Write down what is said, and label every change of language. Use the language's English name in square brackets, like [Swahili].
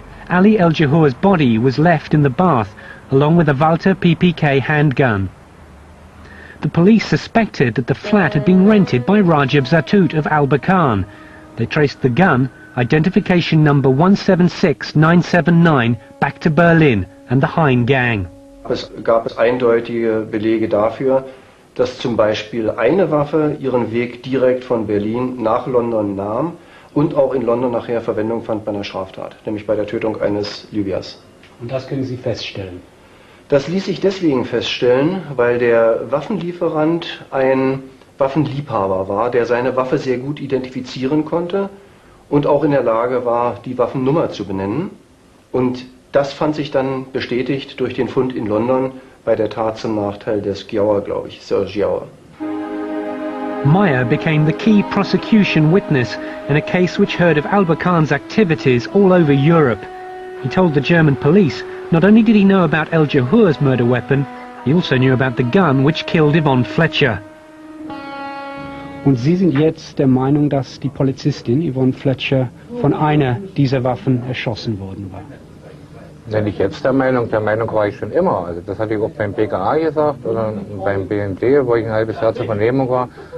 [English] Ali El-Jahour's body was left in the bath, along with a Walter PPK handgun. The police suspected that the flat had been rented by Rajab Zatut of al-Burkhan. They traced the gun, identification number 176979, back to Berlin and the Hein gang. [German] Es gab es eindeutige Belege dafür, dass zum Beispiel eine Waffe ihren Weg direkt von Berlin nach London nahm und auch in London nachher Verwendung fand bei einer Straftat, nämlich bei der Tötung eines Libyers. Und das können Sie feststellen? Das ließ sich deswegen feststellen, weil der Waffenlieferant ein Waffenliebhaber war, der seine Waffe sehr gut identifizieren konnte und auch in der Lage war, die Waffennummer zu benennen. Und das fand sich dann bestätigt durch den Fund in London bei der Tat zum Nachteil des Giauer, glaube ich, Sir Giauer. [English] Meyer became the key prosecution witness in a case which heard of al-Burkhan's activities all over Europe. He told the German police, not only did he know about El-Jahour's murder weapon, he also knew about the gun which killed Yvonne Fletcher. [German] Und Sie sind jetzt der Meinung, dass die Polizistin Yvonne Fletcher von einer dieser Waffen erschossen worden war? Nenne ich jetzt der Meinung war ich schon immer. Also das hatte ich auch beim BKA gesagt oder beim BND, wo ich ein halbes Jahr zur Vernehmung war.